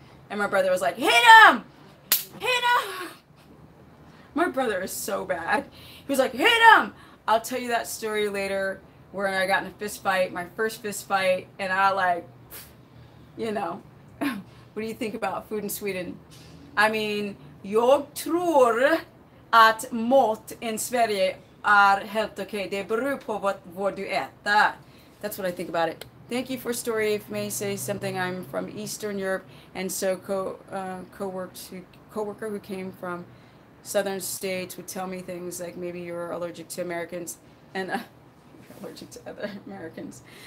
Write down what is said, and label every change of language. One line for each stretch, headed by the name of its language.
English: And my brother was like, hit him! Hit him! My brother is so bad. He was like, hit him! I'll tell you that story later where I got in a fist fight, my first fist fight, and I like, you know, what do you think about food in Sweden? I mean,
Swedish: jag tror att mat in Sverige är helt okej. Det beror på vad du äter.
English: That's what I think about it. Thank you for story. If may say something, I'm from Eastern Europe, and so coworker who came from Southern States would tell me things like maybe you're allergic to Americans, and allergic to other Americans.